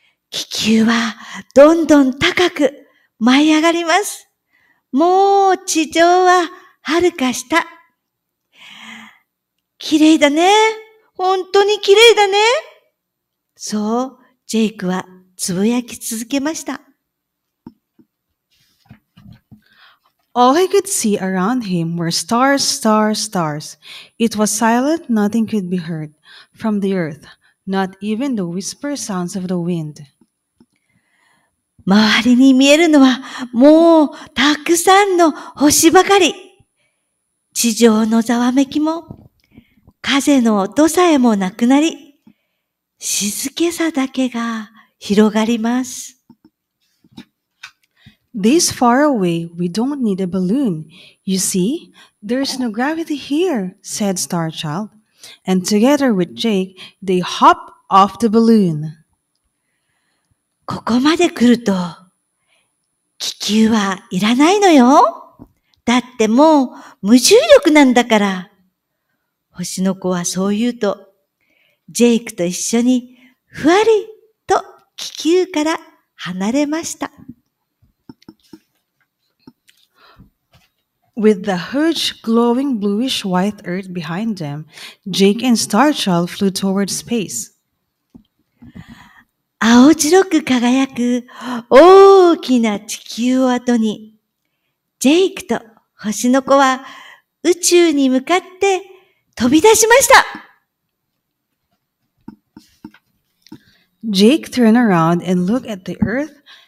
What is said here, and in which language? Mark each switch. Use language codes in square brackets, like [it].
[ja] 気球はどんどん高く舞い上がります。もう地上は遥か下。綺麗だね。本当に綺麗だね。そう、ジェイクはつぶやき続けました。 [en] All he could see around him were stars, stars, stars. It was silent, nothing could be heard from the earth, not even the whisper sounds of the wind. [ja] 周りに見えるのはもうたくさんの星ばかり。地上のざわめきも、風の音さえもなくなり、静けさだけが広がります。 [en] This far away, we don't need a balloon. You see, there's no gravity here, said Star Child. And together with Jake, they hop off the balloon. [ja] ここまで来ると、気球はいらないのよ。だってもう無重力なんだから。星の子はそう言うと、ジェイクと一緒にふわりと気球から離れました。 [en] With the huge, glowing, bluish-white earth behind them, Jake and Starchild flew toward space. [ja] 青白く輝く大きな地球を後に、ジェイクと星の子は宇宙に向かって飛び出しました。 [en] Jake turned around and looked at the earth.